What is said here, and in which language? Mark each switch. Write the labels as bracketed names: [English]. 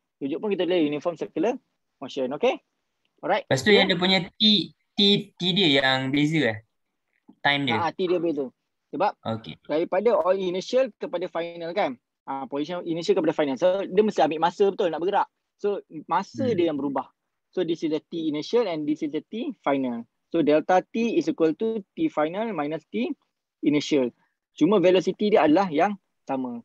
[Malay] Tujuk pun kita boleh uniform circular motion. Okay? Alright. Lepas tu yang dia punya T dia yang beza eh? Time dia. T dia beza. Sebab okay, daripada all initial kepada final kan. Position initial kepada final. So dia mesti ambil masa betul nak bergerak. So masa dia yang berubah. [English] So this is the T initial and this is the T final. So delta T is equal to T final minus T initial. [Malay] Cuma velocity dia adalah yang sama.